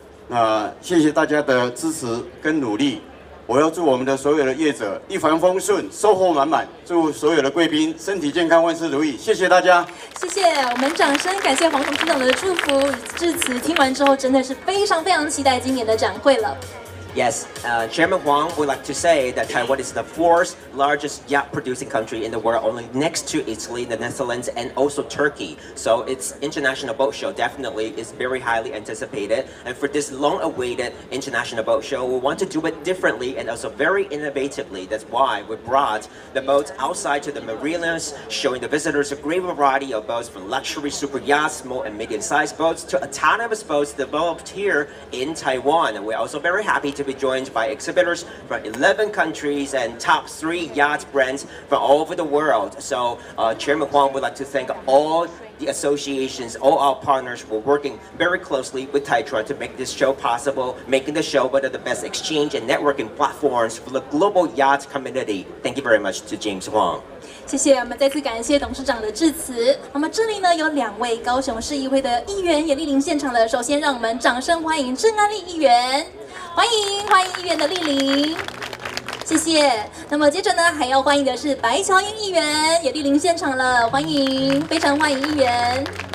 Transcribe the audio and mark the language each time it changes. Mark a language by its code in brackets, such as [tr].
[zh] 那谢谢大家的支持跟努力，我要祝我们的所有的业者一帆风顺，收获满满，祝所有的贵宾身体健康，万事如意，谢谢大家。谢谢，我们掌声感谢黄董事长的祝福。致辞听完之后，真的是非常非常期待今年的展会了。 [en] Yes, Chairman Huang would like to say that Taiwan is the fourth largest yacht producing country in the world, only next to Italy, the Netherlands, and also Turkey. So its international boat show definitely is very highly anticipated. And for this long-awaited international boat show, we want to do it differently and also very innovatively. That's why we brought the boats outside to the marinas, showing the visitors a great variety of boats from luxury super yachts, small and medium-sized boats, to autonomous boats developed here in Taiwan. And we're also very happy to be joined by exhibitors from 11 countries and top three yacht brands from all over the world. So Chairman Huang would like to thank all the associations, all our partners who are working very closely with Taitron to make this show possible, making the show one of the best exchange and networking platforms for the global yacht community. Thank you very much to James Huang. [zh] 谢谢，我们再次感谢董事长的致辞。那么这里呢，有两位高雄市议会的议员也莅临现场了。首先，让我们掌声欢迎郑安丽议员，欢迎议员的莅临，谢谢。那么接着呢，还要欢迎的是白乔英议员也莅临现场了，欢迎，非常欢迎议员。